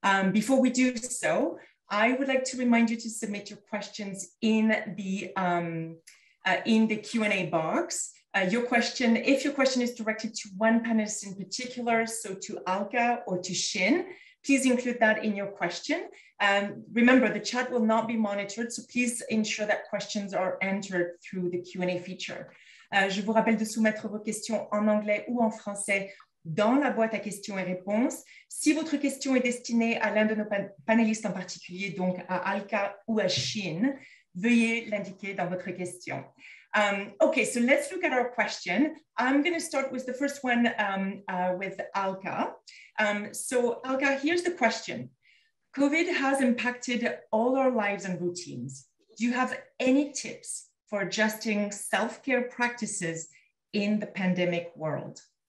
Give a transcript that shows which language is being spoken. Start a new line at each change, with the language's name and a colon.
English: Before we do so, I would like to remind you to submit your questions in the Q&A box. Your question, if your question is directed to one panelist in particular, so to Alka or to Shin, please include that in your question. Remember, the chat will not be monitored, so please ensure that questions are entered through the Q&A feature.
French: Je vous rappelle de soumettre vos questions en anglais ou en français dans la boîte à questions et réponses. Si votre question est destinée à l'un de nos panélistes en particulier, donc à Alka ou à Shin, veuillez l'indiquer dans votre question.
English: Okay, so let's look at our question. I'm going to start with the first one with Alka. So Alka, here's the question. COVID has impacted all our lives and routines. Do you have any tips for adjusting self-care practices in the pandemic world?